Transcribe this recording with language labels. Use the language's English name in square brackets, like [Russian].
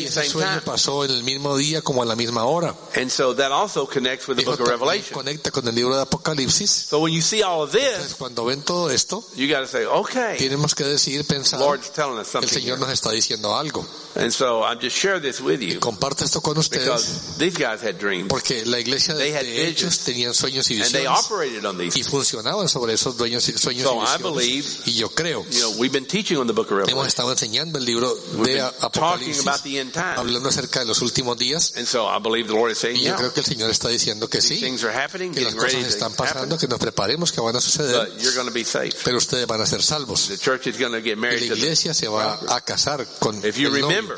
[Spanish] Y ese sueño pasó en el mismo día como a la misma hora. [English] And so that also connects with the book of Revelation. [Spanish] Conecta con el libro de Apocalipsis. [English] So when you see all of this, [Spanish] entonces, cuando ven todo esto, [English] you gotta say, okay, [Spanish] tenemos que decir, pensar, [English] Lord's telling us something. [Spanish] El Señor nos está diciendo algo. [English] And so I'm just sharing this with you. [Spanish] Y comparto esto con ustedes. [English] Because these guys had dreams. [Spanish] Porque la iglesia [English] they [Spanish] de ellos tenían sueños y visiones. [English] And they operated on these. [Spanish] Y funcionaban sobre esos sueños y visiones. [English] So I believe, [Spanish] y yo creo, [English] you know, we've been teaching on the book of Revelation. [Spanish] Hemos estado enseñando el libro de Apocalipsis, hablando acerca de los últimos días. Y yo creo que el Señor está diciendo que sí, que las cosas están pasando, que nos preparemos, que van a suceder, pero ustedes van a ser salvos. La iglesia se va a casar con el novio.